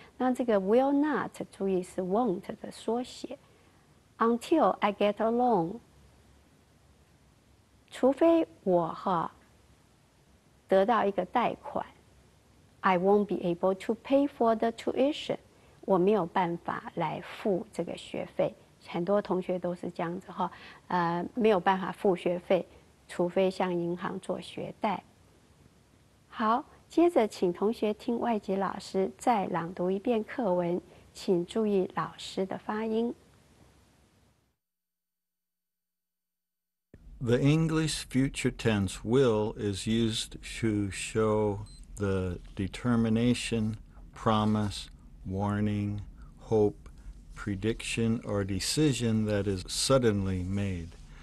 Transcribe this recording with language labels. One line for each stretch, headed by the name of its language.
Chinese: 那这个 will not， 注意是 won't 的缩写。
English: Until I get a loan，
Chinese: 除非我哈得到一个贷款。
English: I won't be able to pay for the tuition.
Chinese: 我没有办法来付这个学费。很多同学都是这样子哈，没有办法付学费，除非向银行做学贷。好，接着请同学听外籍老师再朗读一遍课文，请注意老师的发音。
English: The English future tense will is used to show. The determination, promise, warning, hope, prediction, or decision that is suddenly made.